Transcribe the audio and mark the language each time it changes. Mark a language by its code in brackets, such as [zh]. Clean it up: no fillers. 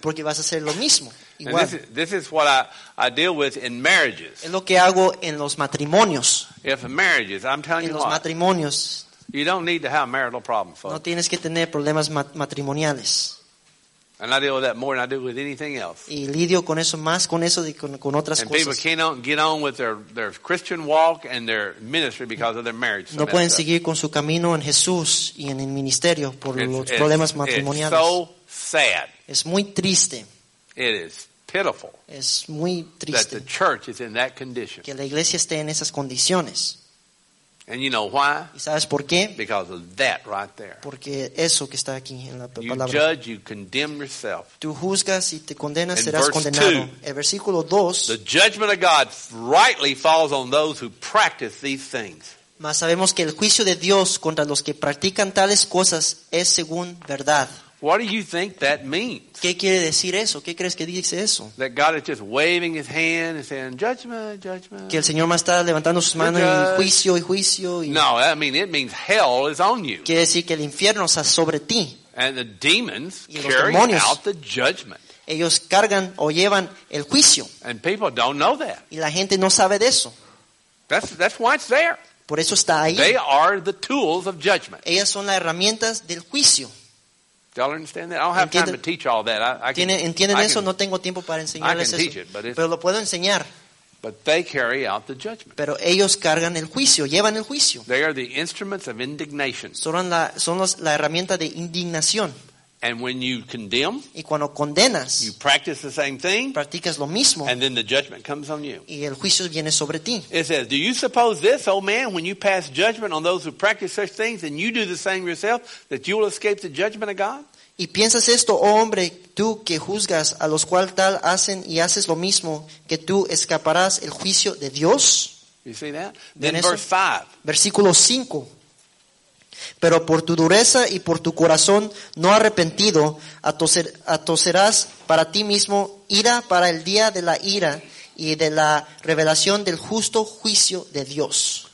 [es] Porque vas a hacer lo mismo. Igual. [en] And this is what I deal with in marriages. [es] Es lo que hago en los matrimonios. [en] If in marriages, I'm telling [es] en [en] you what. [es] En los matrimonios. [en] You don't need to have marital problems, folks. [es] No tienes que tener problemas matrimoniales. [en] And I deal with that more than I do with anything else. [es] Y lidio con eso más con eso de con otras [en] and [es] cosas. [en] And people cannot get on with their Christian walk and their ministry because of their marriage. [es] No pueden seguir con su camino en Jesús y en el ministerio por los problemas matrimoniales. [en] It's so sad. [es] Es muy triste. [en] It is pitiful. [es] Es muy triste. [en] That the church is in that condition. [es] Que la iglesia esté en esas condiciones. [en] And you know why? [es] ¿Y sabes por qué? [en] Because of that right there. [es] Porque eso que está aquí en la palabra. [en] You judge, you condemn yourself. [es] Tú juzgas y te condenas, serás condenado. En versículo 2. [en] The judgment of God rightly falls on those who practice these things. [es] Mas sabemos que el juicio de Dios contra los que practican tales cosas es según verdad. [en] What do you think that means? [es] ¿Qué quiere decir eso? ¿Qué crees que dice eso? [en] That God is just waving his hand and saying, judgment, judgment. [es] Que el Señor más está levantando sus manos y juicio y juicio. [en] No, I mean, it means hell is on you. [es] Quiere decir que el infierno está sobre ti. [en] And the demons [es] y los [en] carry [es] demonios, [en] out the judgment. [es] Ellos cargan o llevan el juicio. [en] And people don't know that. [es] Y la gente no sabe de eso. [en] That's why it's there. [es] Por eso está ahí. [en] They are the tools of judgment. [es] Ellas son las herramientas del juicio. [en] Do y'all understand that? I don't have time to teach all that. [es] ¿Entienden eso? No tengo tiempo para enseñarles eso. [en] I can teach it, but [es] pero lo puedo enseñar. [en] But they carry out the judgment. [es] Pero ellos cargan el juicio, llevan el juicio. [en] They are the instruments of indignation. [es] Son la herramienta de indignación. [en] And when you condemn, [es] y cuando condenas, [en] you practice the same thing, [es] practicas lo mismo, [en] and then the judgment comes on you. [es] Y el juicio viene sobre ti. [en] It says, do you suppose this, O man, when you pass judgment on those who practice such things, and you do the same yourself, that you will escape the judgment of God? [es] Y piensas esto, oh hombre, tú que juzgas a los cual tal hacen y haces lo mismo, que tú escaparás el juicio de Dios? [en] You see that? Then verse 5. [es] Versículo 5. Pero por tu dureza y por tu corazón no arrepentido, atoserás para ti mismo ira para el día de la ira y de la revelación del justo juicio de Dios.